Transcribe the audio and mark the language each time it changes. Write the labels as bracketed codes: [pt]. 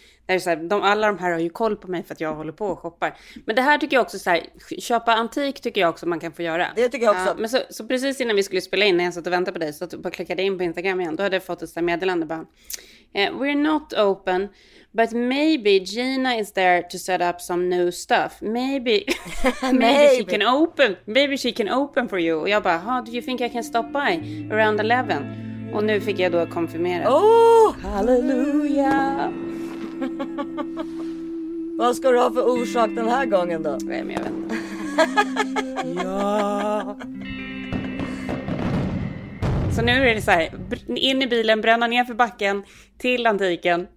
[sv] Det är så här, alla de här har ju koll på mig för att jag håller på och shoppar. Men det här tycker jag också, så här, köpa antik tycker jag också man kan få göra. Det tycker jag också. Ja, men så precis innan vi skulle spela in, när jag satt och väntade på dig, så att jag klickade in på Instagram igen, då hade jag fått ett meddelande bara, [en] we're not open, but maybe Gina is there to set up some new stuff. Maybe, maybe she can open. Maybe she can open for you. [sv] Och jag bara, ha, [en] do you think I can stop by around 11? [sv] Och nu fick jag då konfirmera. [en] Oh, halleluja! [sv] Vad ska du ha för orsak den här gången då? Nej, men jag vet inte. Ja. Så nu är det så här, in i bilen, bränna ner för backen till antiken.